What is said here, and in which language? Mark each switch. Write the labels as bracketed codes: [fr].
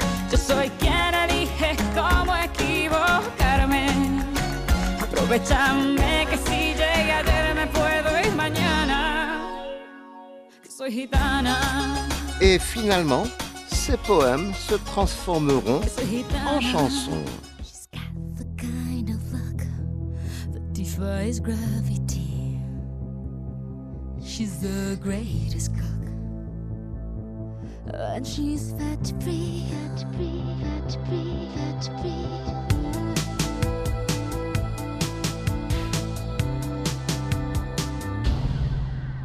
[es] Yo soy quien elige cómo equivocarme. Aprovechame que si llegué ayer me puedo ir mañana. Que soy gitana. [fr] Et finalement, ces poèmes se transformeront en chansons. [en] She's got the kind of luck that defies gravity. She's the greatest cook, and she's fat free, fat free, fat free, fat free.